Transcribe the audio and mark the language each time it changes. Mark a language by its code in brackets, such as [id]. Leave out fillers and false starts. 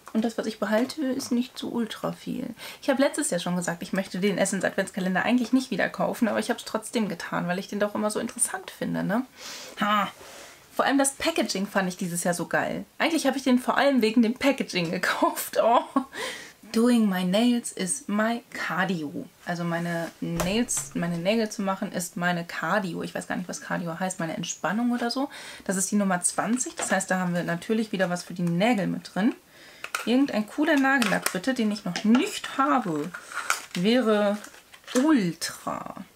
[de] Und das, was ich behalte, ist nicht so ultra viel. Ich habe letztes Jahr schon gesagt, ich möchte den Essence-Adventskalender eigentlich nicht wieder kaufen, aber ich habe es trotzdem getan, weil ich den doch immer so interessant finde, ne? Ha! Vor allem das Packaging fand ich dieses Jahr so geil. Eigentlich habe ich den vor allem wegen dem Packaging gekauft. Oh. [en] Doing my nails is my cardio. [de] Also meine Nägel zu machen ist meine Cardio. Ich weiß gar nicht, was Cardio heißt, meine Entspannung oder so. Das ist die Nummer 20, das heißt, da haben wir natürlich wieder was für die Nägel mit drin. Irgendein cooler Nagellack, bitte, den ich noch nicht habe, wäre ultra.